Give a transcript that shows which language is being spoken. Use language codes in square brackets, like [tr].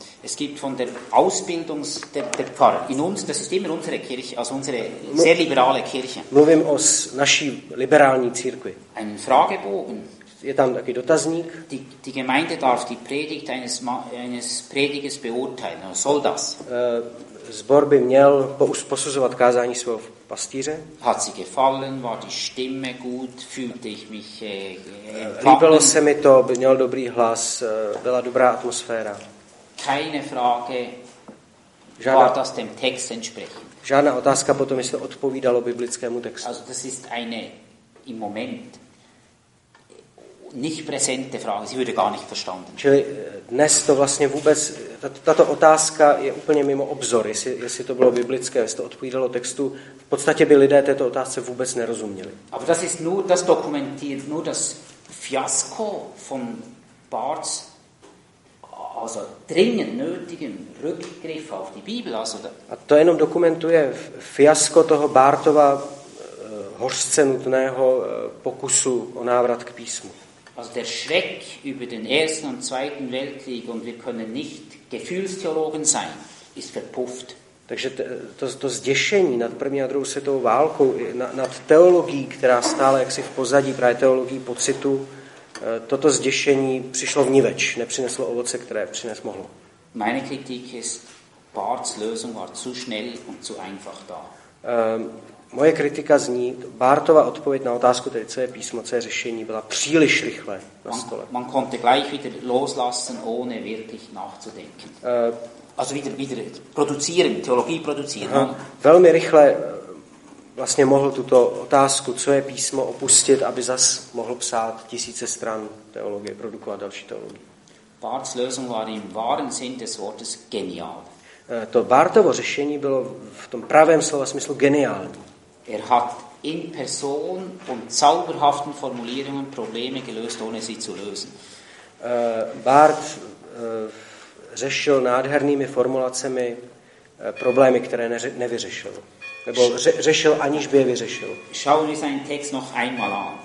[de] Es gibt von der Ausbildung der Pfarrer in uns, das ist immer unsere Kirche, also unsere sehr liberale Kirche. [cs] Mluvím o naší liberální církvi. [de] Ein Fragebogen. [cs] Je tam taky dotazník. [de] Die Gemeinde darf die Predigt eines Predigers beurteilen. Soll das? [cs] Zbor by měl posuzovat kázání svého pastýře. [de] Hat sie gefallen? War die Stimme gut? Fühlte ich mich empfangen? [cs] Líbilo se mi to, měl dobrý hlas, byla dobrá atmosféra. [de] Keine Frage. [cs] Žádná, [de] war das dem Text entsprechend? [cs] Žádná otázka potom, jestli odpovídalo biblickému textu. [de] Also das ist eine im Moment nicht präsente Frage, sie würde gar nicht verstanden. [cs] Čili dnes to vlastně vůbec, tato otázka je úplně mimo obzor, jestli to bylo biblické, jestli to odpovídalo textu, v podstatě by lidé této otázce vůbec nerozuměli. [de] Aber das ist nur, das dokumentiert nur das Fiasko von Barths, also dringend nötigen Rückgriff auf die Bibel. Also [cs] A to jenom dokumentuje fiasko toho Barthova hořce nutného pokusu o návrat k písmu. [de] Also der Schreck über den Ersten und Zweiten Weltkrieg und wir können nicht Gefühlstheologen sein, ist verpufft. [cs] Takže to zděšení nad první a druhou světovou válkou, nad teologií, která stále jaksi v pozadí, právě teologií pocitu, toto zděšení přišlo vníveč, nepřineslo ovoce, které přines mohlo. [de] Meine Kritik ist, Barths Lösung war zu schnell und zu einfach da. [cs] Moje kritika zní, Barthova odpověď na otázku, tedy co je písmo, co je řešení, byla příliš rychle na stole. [de] Man konnte gleich wieder loslassen, ohne wirklich nachzudenken. Also wieder produzieren, Theologie produzieren. Aha, [cs] velmi rychle vlastně mohl tuto otázku, co je písmo, opustit, aby zas mohl psát tisíce stran teologie, produkovat další teologii. [de] Barths Lösung war im wahren Sinn des Wortes genial. [cs] To Barthovo řešení bylo v tom pravém slova smyslu geniální. [de] Er hat in Person und zauberhaften Formulierungen Probleme gelöst, ohne sie zu lösen. [cs] Bart řešil nádhernými formulacemi problémy, které nevyřešil. Nebo řešil, aniž by je vyřešil. [de] Schauen wir seinen Text noch einmal an.